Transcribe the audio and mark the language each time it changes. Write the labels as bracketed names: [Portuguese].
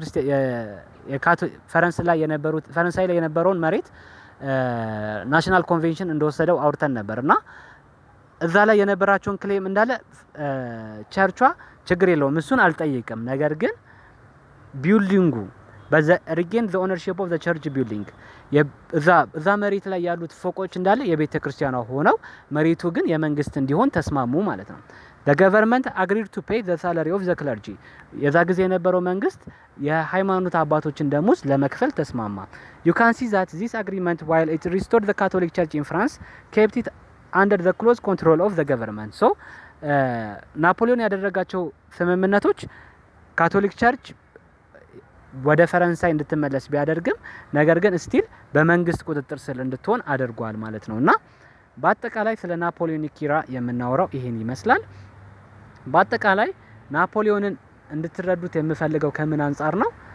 [Amharic] የቤተክርስቲያን ፈረንሳይ ላይ የነበሩት ፈረንሳይ ላይ የነበረውን መሬት ናሽናል ኮንቬንሽን እንደወሰደው አውርተን ነበርና እዛ ላይ የነበራቸውን ክሌም እንዳለ ቸርቿ ችግር የለውም እሱን አልጠየቀም። ነገር ግን ቢልዲንጉ [English] በሪጌን ዘ ኦነርሺፕ ኦፍ ዘ ቸርች ቢልዲንግ [Amharic] እዛ መሬት ላይ ያሉት ፎቆች እንዳለ የቤተክርስቲያኗ ሆነው መሬቱ ግን የመንግስት እንዲሆን ተስማሙ ማለት ነው። [English] The government agreed to pay the salary of the clergy. [Amharic] የዛ ጊዜ የነበረው መንግስት የሃይማኖት አባቶችን ደሞዝ ለመክፈል ተስማማ። [English] You can see that this agreement while it restored the Catholic Church in France kept it under the close control of the government. [Amharic] So, ናፖሊዮን ያደረጋቸው ስምምነቶች Catholic Church ወደ ፈረንሳይ እንድትመለስ ቢያደርግም ነገር ግን still በመንግስት ቁጥጥር ስር እንድትሆን አድርጓል ማለት ነውና በአጠቃላይ ስለ ናፖሊዮኒክ ኢራ የምናወራው ይሄን ይመስላል። በአጠቃላይ ናፖሊዮንን እንድትረዱት የምፈልገው ከምን አንጻር ነው?